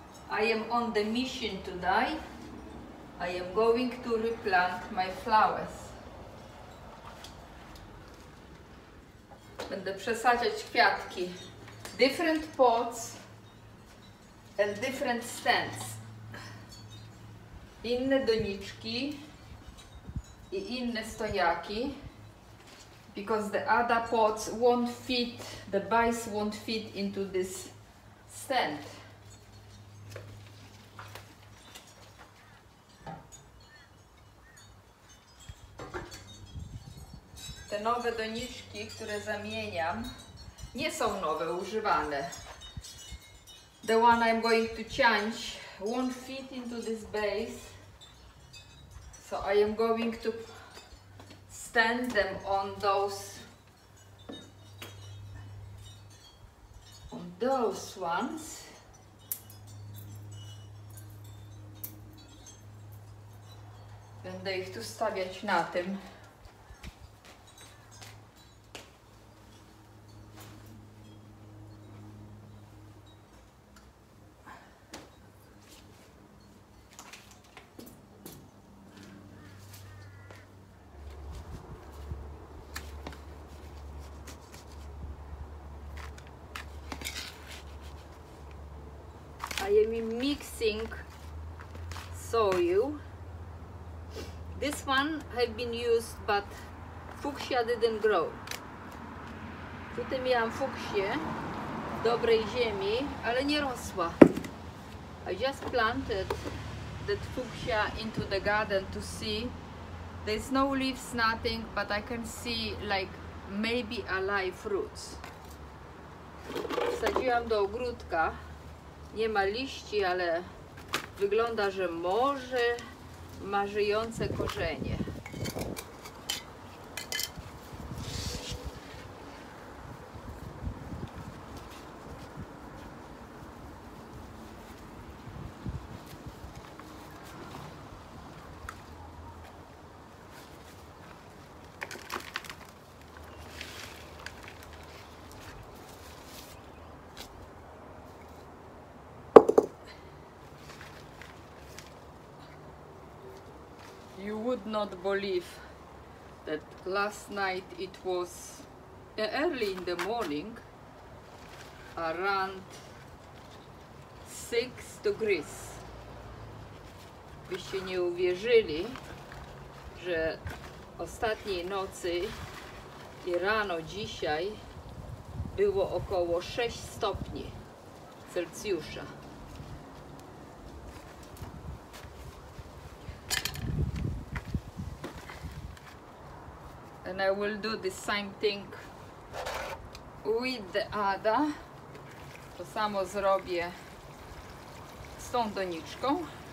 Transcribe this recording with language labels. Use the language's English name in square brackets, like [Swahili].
[English] I am on the mission to die. I am going to replant my flowers. [Polish] Będę przesadzać kwiatki. [English] Different pots and different stands. [Polish] Inne doniczki i inne stojaki. [English] Because the other pots won't fit, the vines won't fit into this stand. [Polish] Te nowe doniczki, które zamieniam, nie są nowe, używane. [English] The one I'm going to change won't fit into this base. So I am going to stand them on those ones. [Polish] Będę ich tu stawiać na tym. [English] I am mixing soil. This one has been used, but fuchsia didn't grow. [Polish] Tutaj miałam fuchsię w dobrej ziemi, ale nie rosła. [English] I just planted that fuchsia into the garden to see. There's no leaves, nothing, but I can see like maybe alive roots. [Polish] Wsadziłam do ogródka. Nie ma liści, ale wygląda, że może ma żyjące korzenie. [English] You would not believe that last night it was early in the morning, around 6 degrees. [Polish] Byście nie uwierzyli, że ostatniej nocy i rano dzisiaj było około 6 stopni Celsjusza. [English] And I will do the same thing with the other. [Polish] To samo zrobię z tą doniczką.